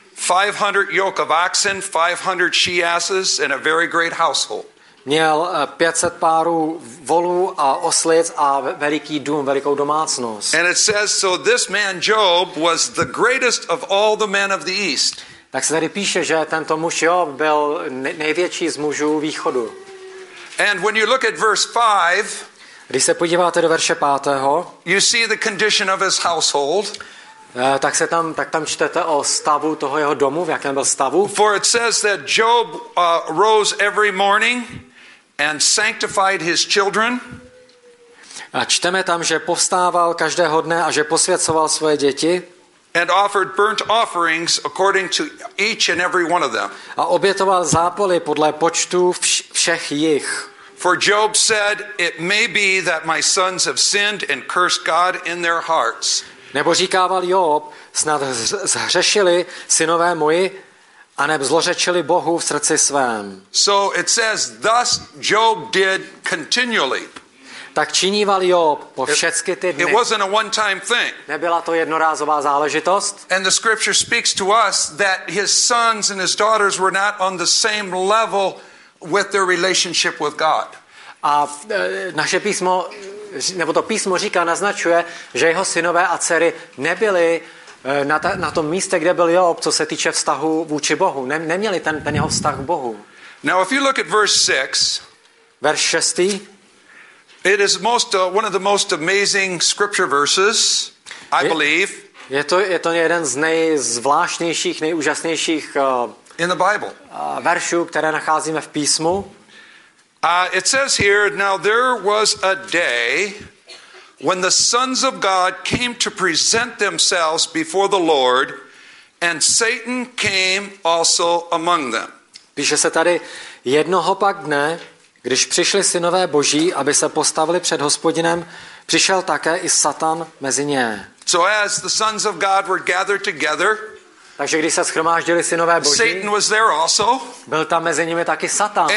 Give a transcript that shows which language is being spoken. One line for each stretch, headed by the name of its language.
English: 500 yoke of oxen, 500 she asses and a very great household.
Czech: Měl 500 párů volů a oslic a veliký dům, velikou domácnost.
English: And it says, so this man Job was the greatest of all the men of the east.
Czech: Tak se tady píše, že tento muž Job byl největší z mužů východu.
English: And when you look at verse 5,
Czech: když se podíváte do verše 5,
English: you see the condition of his household.
Czech: Tak tam čtete o stavu toho jeho domu, v jakém byl stavu.
English: For it says that Job rose every morning and sanctified his children.
Czech: A čteme tam, že povstával každého dne a že posvěcoval svoje děti.
English: And offered burnt offerings according to each and every one of them.
Czech: A obětoval zápaly podle počtu všech jich.
English: For Job said, it may be that my sons have sinned and cursed God in their hearts.
Czech: Nebo říkával Job, snad zhřešili synové moji, aneb zlořečili Bohu v srdci svém.
English: So it says, thus Job did continually.
Czech: Tak činíval Job po všechny ty dny.
English: It wasn't a one-time thing.
Czech: Nebyla to jednorázová záležitost.
English: And the scripture speaks to us that his sons and his daughters were not on the same level with their relationship with God.
Czech: A naše písmo, nebo to písmo říká, naznačuje, že jeho synové a dcery nebyli na tom místě, kde byl Job, co se týče vztahu vůči Bohu. Neměli ten jeho vztah k Bohu.
English: Now if you look at verse 6,
Czech: verš 6,
English: it is most one of the most amazing scripture verses, I believe.
Czech: Je to jeden z nejzvláštnějších, nejúžasnějších
English: in the Bible.
Czech: Veršů, které nacházíme v písmu.
English: It says here, now there was a day when the sons of God came to present themselves before the Lord, and Satan came also among them.
Czech: Píše se tady, jednoho pak dne, když přišli synové Boží, aby se postavili před Hospodinem, přišel také i Satan mezi ně.
English: So as the sons of God were gathered together,
Czech: takže když se shromáždili synové Boží,
English: Satan was there also.
Czech: Byl tam mezi nimi taky Satan.